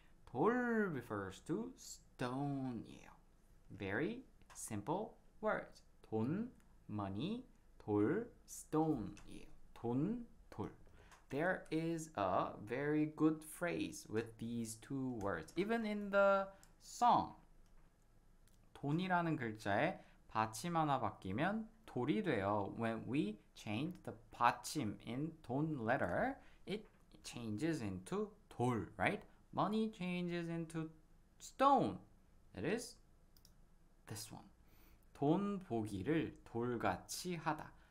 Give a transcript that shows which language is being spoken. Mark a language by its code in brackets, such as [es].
[en] 돌 refers to stone이에요. Very simple words. [ko] 돈, money, 돌, stone이에요. 돈, 돌. [en] There is a very good phrase with these two words. Even in the song. [ko] 돈이라는 글자에 받침 하나 바뀌면 돌이 돼요. [en] When we change the 받침 in 돈 letter, it changes into 돌, right? Money changes into stone. It is this one. [ko] 돈 보기를 돌같이 하다.